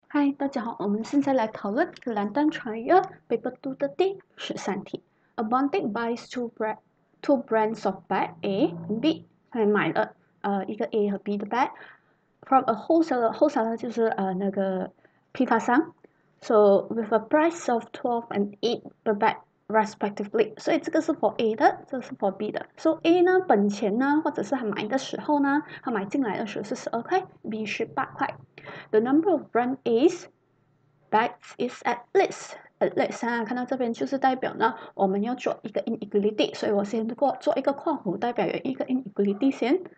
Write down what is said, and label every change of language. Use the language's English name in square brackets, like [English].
[Chinese] 嗨，大家好，我们现在来讨论《格兰丹传译》北部都的第13题。 [English] A bandit buys two brands of bag A and B， [Chinese] 他买了一个 A 和 B 的 [English] bag from a wholesaler [Chinese] 就是那个批发商， [English] so with a price of 12 and 8 per bag respectively， [Chinese] 所以这个是 [English] for A 的，这个是 for B 的。 [Chinese] So A 呢，本钱呢，或者是他买的时候呢，他买进来的时候是12块，B 是8块。 [English] The number of brand A's bags is at least [Chinese] 啊，看到这边就是代表呢，我们要做一个 inequality，所以我先过做一个括弧，代表有一个 inequality 先。